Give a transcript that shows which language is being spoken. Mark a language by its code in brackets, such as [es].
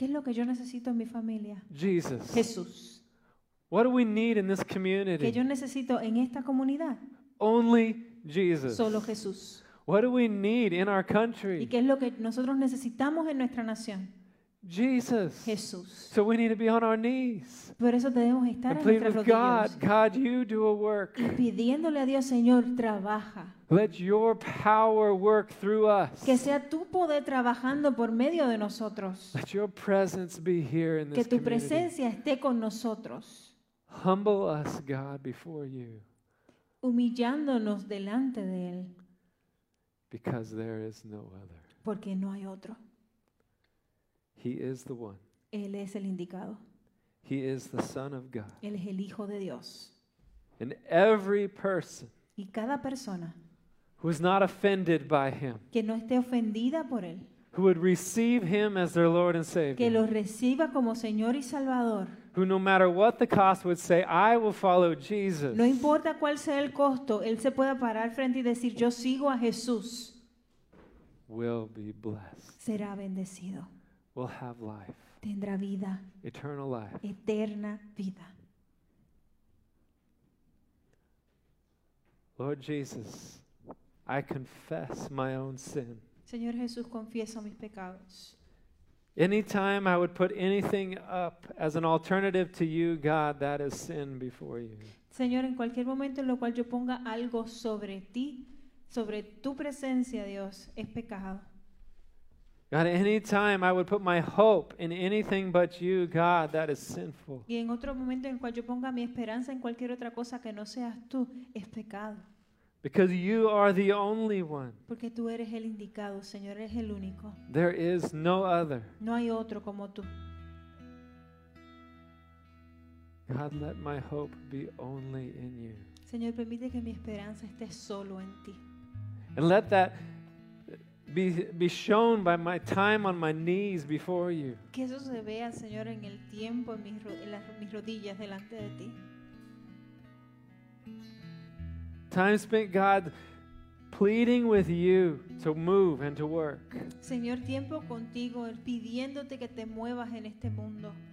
[es] ¿Qué es lo que yo necesito en mi familia? [en] Jesus. [es] Jesús. [en] What do we need in this community? [es] ¿Qué yo necesito en esta comunidad? [en] Only Jesus. [es] Solo Jesús. [en] What do we need in our country? [es] ¿Y qué es lo que nosotros necesitamos en nuestra nación? [en] Jesus. [es] Jesús. [en] So we need to be on our knees. [es] Por eso debemos estar [en] and plead with God, God, you do a work. [es] Y pidiéndole a Dios, Señor, trabaja. [en] Let your power work through us. [es] Que sea tu poder trabajando por medio de nosotros. [en] Let your presence be here in this [es] que tu [en] community. [es] Presencia esté con nosotros. [en] Humble us, God, before you. [es] Humillándonos delante de Él. [en] Because there is no other. [es] Porque no hay otro. [en] He is the one. [es] Él es el indicado. [en] He is the Son of God. [es] Él es el Hijo de Dios. [en] And every person. [es] Y cada persona. [en] Who is not offended by Him. [es] Que no esté ofendida por Él. [en] Who would receive Him as their Lord and Savior. [es] Que lo reciba como Señor y Salvador. [en] Who no matter what the cost would say, I will follow Jesus. [es] No importa cuál sea el costo, Él se pueda parar frente y decir, yo sigo a Jesús. [en] Will be blessed. [es] Será bendecido. [en] Will have life. [es] Tendrá vida. [en] Eternal life. [es] Eterna vida. [en] Lord Jesus, I confess my own sin. [es] Señor Jesús, confieso mis pecados. [en] Anytime I would put anything up as an alternative to you, God, that is sin before you. [es] Señor, en cualquier momento en lo cual yo ponga algo sobre ti, sobre tu presencia, Dios, es pecado. [en] God, any time I would put my hope in anything but you, God, that is sinful. [es] Y en otro momento en cual yo ponga mi esperanza en cualquier otra cosa que no seas tú, es pecado. [en] Because you are the only one. [es] Porque tú eres el indicado, Señor, eres el único. [en] There is no other. [es] No hay otro como tú. [en] God, let my hope be only in you. [es] Señor, permite que mi esperanza esté solo en ti. [en] And let that be shown by my time on my knees before you. [es] Que eso se vea, Señor, en el tiempo en mis rodillas delante de ti. [en] Time spent, God, pleading with you to move and to work. [es] Señor, tiempo contigo, pidiéndote que te muevas en este mundo.